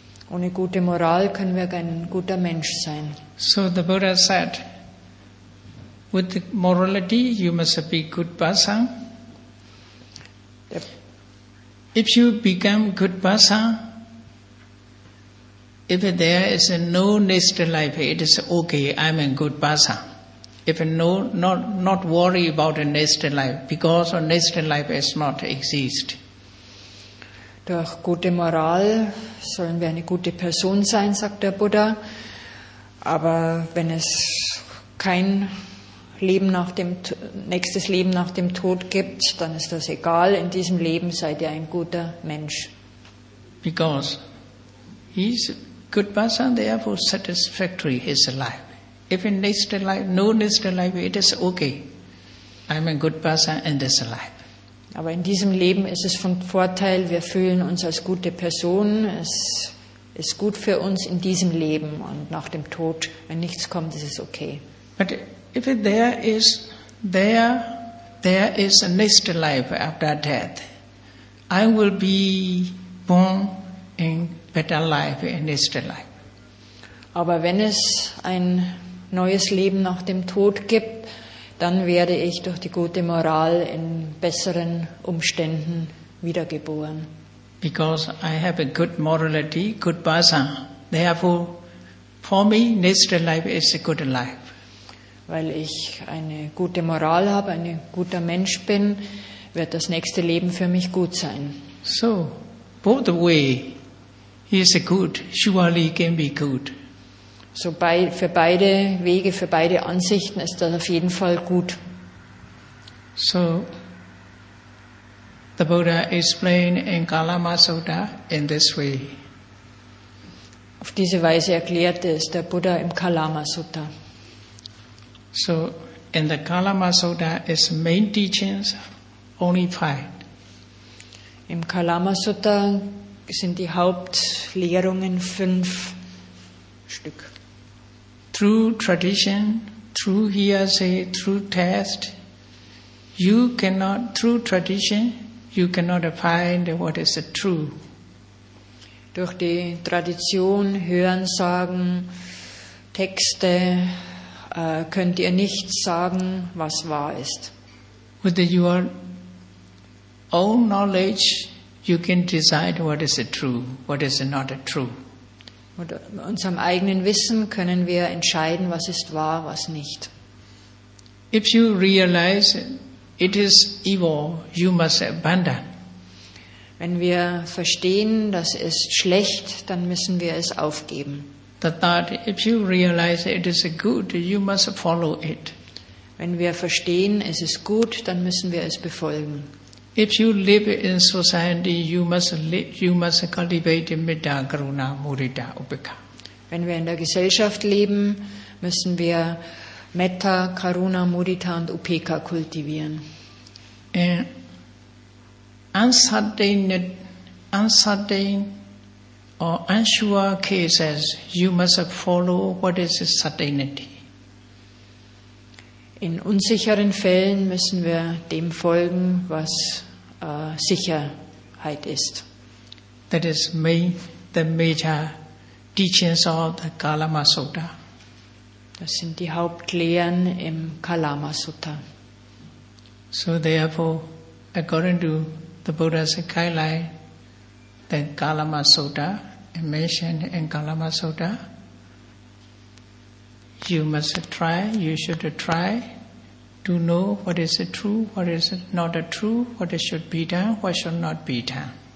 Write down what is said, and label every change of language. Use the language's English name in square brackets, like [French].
[German] Ohne gute Moral können wir kein guter Mensch sein. [English] So the Buddha said, with morality you must be good person. If you become good person, if there is no next life, it is okay, I'm a good person. If no, not worry about a next life, because a next life is not exist. [German] Durch gute Moral sollen wir eine gute Person sein, sagt der Buddha. Aber wenn es kein Leben nächstes Leben nach dem Tod gibt, dann ist das egal. In diesem Leben seid ihr ein guter Mensch. [English] Because he's a good person, therefore satisfactory his life. If in next life, no next life, it is okay. I'm a good person in this life. [German] Aber in diesem Leben ist es von Vorteil, wir fühlen uns als gute Person. Es ist gut für uns in diesem Leben und nach dem Tod, wenn nichts kommt, ist es okay. [English] But if there is a next life after death, I will be born in better life, in next life. [German] Aber wenn es ein neues Leben nach dem Tod gibt, dann werde ich durch die gute Moral in besseren Umständen wiedergeboren. [English] Because I have a good morality, good basa. Therefore, for me, next life is a good life. [German] Weil ich eine gute Moral habe, ein guter Mensch bin, wird das nächste Leben für mich gut sein. [English] So, both way, he is a good, surely can be good. [German] So für beide Wege, für beide Ansichten ist das auf jeden Fall gut. [English] So, the Buddha explained in Kalama Sutta in this way. [German] Auf diese Weise erklärte es der Buddha im Kalama Sutta. [English] So, in the Kalama Sutta is main teachings only five. [German] Im Kalama Sutta sind die Hauptlehrungen 5 Stück. [English] Through tradition, through hearsay, through test, you cannot, through tradition, you cannot find what is true. [German] Durch die Tradition, Hörensagen, Texte, könnt ihr nicht sagen, was wahr ist. [English] With your own knowledge, you can decide what is true, what is not true. [German] Mit unserem eigenen Wissen können wir entscheiden, was ist wahr, was nicht. [English] If you realize it is evil, you must abandon. [German] Wenn wir verstehen, das ist schlecht, dann müssen wir es aufgeben. [English] The thought, if you realize it is good, you must follow it. [German] Wenn wir verstehen, es ist gut, dann müssen wir es befolgen. [English] If you live in society, you must cultivate metta, karuna, mudita, upekkha. [German] Wenn wir in der Gesellschaft leben, müssen wir Metta, Karuna, Mudita und Upekkha kultivieren. [English] Uncertain or unsure cases, you must follow what is certainty. [German] In unsicheren Fällen müssen wir dem folgen, was Sicherheit ist. [English] That is the major teachings of the Kalama Sutta. [German] Das sind die Hauptlehren im Kalama Sutta. [English] So therefore, according to the Buddha's guideline, the Kalama Sutta, mentioned in Kalama Sutta, you should try to know what is true, what is not true, what should be done, what should not be done.